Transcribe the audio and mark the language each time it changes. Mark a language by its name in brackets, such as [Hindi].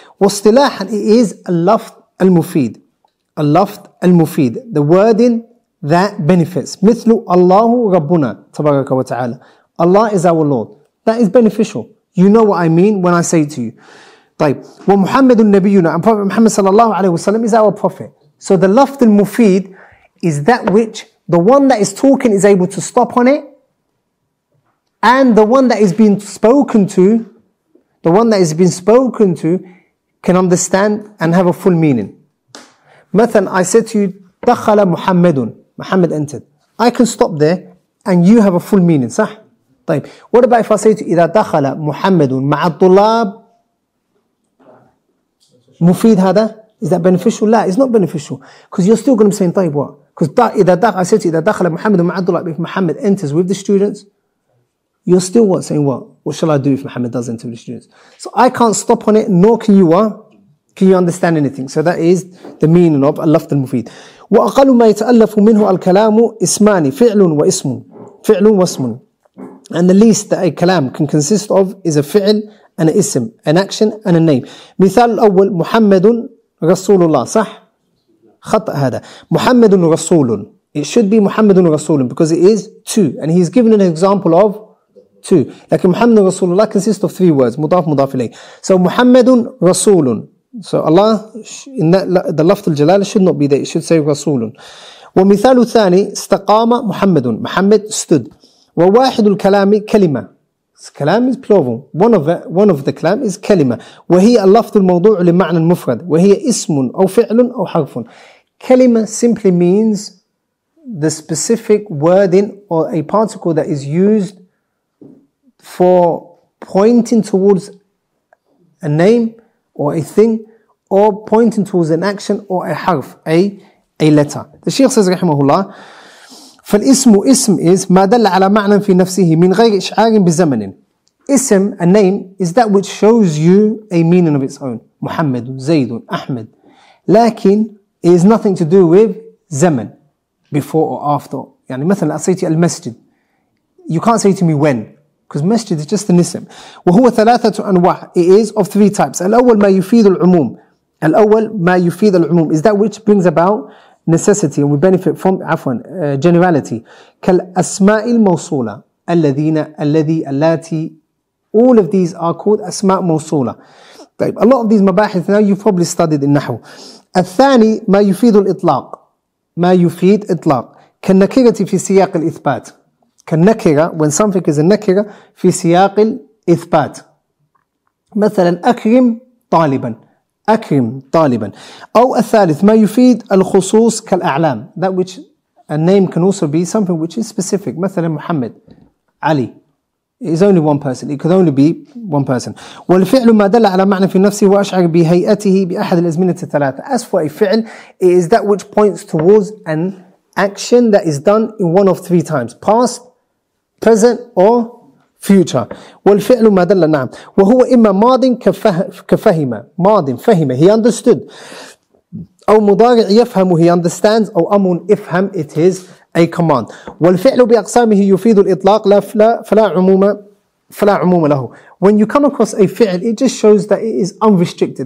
[Arabic] واصطلاحا, [English] it is [Arabic] اللفظ المفيد. اللفظ المفيد. [English] The wording that benefits. [Arabic] مثل الله ربنا تبارك وتعالى. [English] Allah is our Lord. That is beneficial. You know what I mean when I say it to you. [Arabic] طيب. ومحمد النبينا. [English] And Prophet Muhammad [Arabic] صلى الله عليه وسلم [English] is our Prophet. So the lafd al-mufid is that which the one that is talking is able to stop on it, and the one that is being spoken to, the one that is being spoken to, can understand and have a full meaning. مثلا, I said to you, [Arabic] دخل محمدٌ, [English] Muhammad entered. I can stop there and you have a full meaning, صح? [Arabic] طيب, [English] what about if I say to you, [Arabic] إذا دخل محمدٌ مع الطلاب, مفيد هذا? [English] Is that beneficial? [Arabic] لا, [English] it's not beneficial. Because you're still going to be saying, طيب, what? Because I said to you, [Arabic] إذا دخل محمد مع الطلاب, [English] if Muhammad enters with the students, you're still what? Saying, what? What shall I do if Muhammad does enter with the students? So I can't stop on it, nor can you, what? Can you understand anything? So that is the meaning of [Arabic] اللفظ المفيد. وأقل ما يتألف منه الكلام اسمان, فعل واسم. فعل واسم. [English] And the least that a كلام can consist of is a فعل and an اسم, an action and a name. [Arabic] مثال الأول, محمد رسول الله, صح؟ خطأ هذا. [English] محمد رسول. It should be محمد رسول because it is two. And he's given an example of two. [Arabic] لكن محمد رسول الله [English] consists of three words, مضاف مضاف إليه. [Arabic] So محمد رسول. [English] So Allah, in that, the lafd al-jalal should not be there. It should say رسول. [Arabic] ومثال ثاني, استقام محمد. [English] Muhammad stood. [Arabic] وواحد الكلام كلمة. كلام [English] is plural. One of the كلام is كلمة. [Arabic] وهي اللفظ الموضوع لمعنى المفرد. وهي اسم أو فعل أو حرف. [English] كلمة simply means the specific wording or a particle that is used for pointing towards a name or a thing or pointing towards an action or a حرف, a letter. The Sheikh says [Arabic] رحمه الله, فالاسم اسم is ما دل على معنى في نفسه من غير إشعار بزمن. [English] اسم, a name, is that which shows you a meaning of its own. محمد, زيد, أحمد. لكن it is nothing to do with زمن, before or after. [Arabic] يعني مثلا, [English] I say to you المسجد, you can't say to me when, because masjid is just an اسم. [Arabic] وهو ثلاثة أنواع, [English] it is of three types. [Arabic] الأول ما يفيد العموم. الأول ما يفيد العموم [English] is that which brings about necessity and we benefit from generality. [Arabic] كالأسماء الموصولة, الذين, الذي, التي. [English] All of these are called أسماء موصولة. طيب, a lot of these مباحث now you've probably studied in نحو. [Arabic] الثاني ما يفيد الإطلاق, ما يفيد إطلاق. كالنكرة في سياق الإثبات, كالنكرة, [English] when something is a [Arabic] نكرة في سياق الإثبات. مثلا أكرم طالبا, أكرم طالبا. أو الثالث ما يفيد الخصوص كالأعلام, [English] that which A name can also be something which is specific. مثلا محمد علي is only one person. It could only be one person. [Arabic] والفعل ما دل على معنى في نفسه وأشعر بهيئته بأحد الأزمنة الثلاثة. [English] As for a فعل, it is that which points towards an action that is done in one of three times. Past, present, or future. [Arabic] والفعل ما دل نعم. وهو إما ماض كفهم. ماض فهم. [English] He understood. [Arabic] أو مضارع يفهم. [English] He understands. [Arabic] أو أمر افهم. [English] It is a command. [Arabic] والفعل بأقسامه يفيد الإطلاق لا فلا عموم له. [English] When you come across a فعل, it just shows that it is unrestricted.